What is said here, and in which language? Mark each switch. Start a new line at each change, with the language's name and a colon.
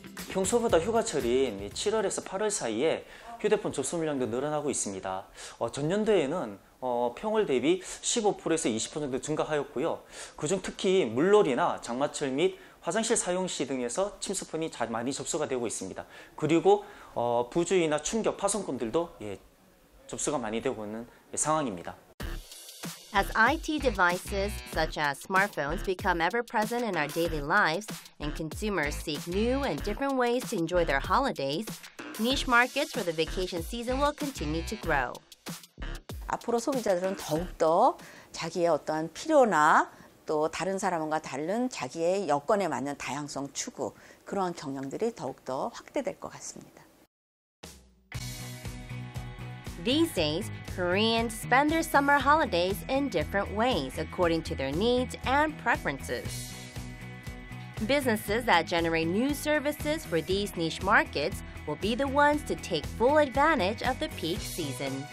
Korean: 평소보다 휴가철인 7월에서 8월 사이에 휴대폰 접수물량도 늘어나고 있습니다. 전년도에는 평월 대비 15%에서 20% 정도 증가하였고요. 그중 특히 물놀이나 장마철 및 화장실 사용시 등에서 침수폰이 많이 접수가 되고 있습니다. 그리고 부주의나 충격, 파손꾼들도 접수가 많이 되고 있는 상황입니다.
English: As IT devices such as smartphones become ever present in our daily lives, and consumers seek new and different ways to enjoy their holidays, niche markets for the vacation season will continue to grow.
Korean: 앞으로 소비자들은 더욱더 자기의 어떠한 필요나 또 다른 사람과 다른 자기의 여건에 맞는 다양성 추구, 그러한 경향들이 더욱더 확대될 것 같습니다.
English: These days, Koreans spend their summer holidays in different ways according to their needs and preferences. Businesses that generate new services for these niche markets will be the ones to take full advantage of the peak season.